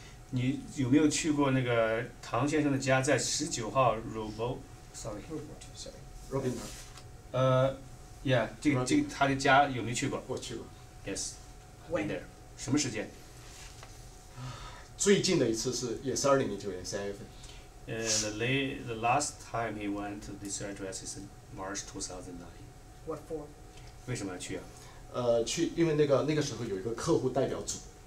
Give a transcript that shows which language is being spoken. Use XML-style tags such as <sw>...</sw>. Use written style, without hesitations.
<zh>你有没有去过那个唐先生的家在19号 Roboter？ 我去过。</zh> <en>Yes. When?</en> <zh>什么时间？最近的一次是也是2009年3月份。</zh> <en>The last time he went to this address is in March 2009. What for?</en> <zh>为什么要去啊? 去，因为那个时候有一个客户代表组。</zh>